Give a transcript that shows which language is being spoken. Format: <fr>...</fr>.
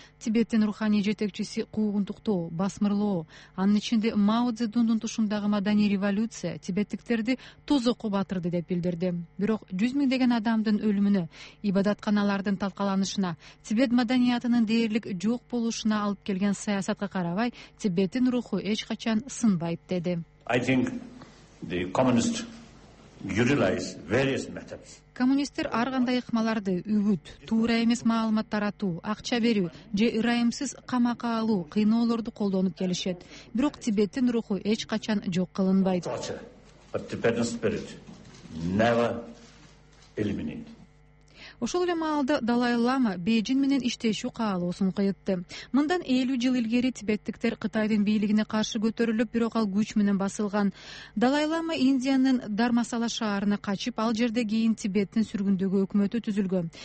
<ky>Тибеттин руханий жетекчиси куугунтуктоо, басмырлоо, анын ичинде Мао Цзэдундун тушундагы маданий революция тибеттиктерди тозокко батырды деп билдирди. Бирок 100 000 деген адамдын өлүмүнө, ибадатканалардын талкаланышына, тибет маданиятынын дээрлик жок болушуна алып келген саясатка карабай, тибеттин руху эч качан сынбайт деди.</ky> <en>I think the communist utilize various methods.</en> <ky>Коммунисттер ар кандай ыкмаларды үгүт, туура эмес маалымат таратуу, акча берүү же ырайымсыз камакка алуу кыйноолорду колдонуп келишет. Бирок Тибеттин руху эч качан жок кылынбайт.</ky> <en>Tibetan spirit never eliminated.</en> <ky>Ошол эле маалда Далай Лама Бээжин менен иштешүү каалоосун кайтты. Мындан 50 жыл илгери тибеттиктер Кытайдын бийлигине каршы көтөрүлүп, бирок ал күч менен басылган. Далай Лама Индиянын Дармасала шаарына качып, ал жерде кийин Тибеттин сүргүндөгү өкмөтү түзүлгөн.</ky>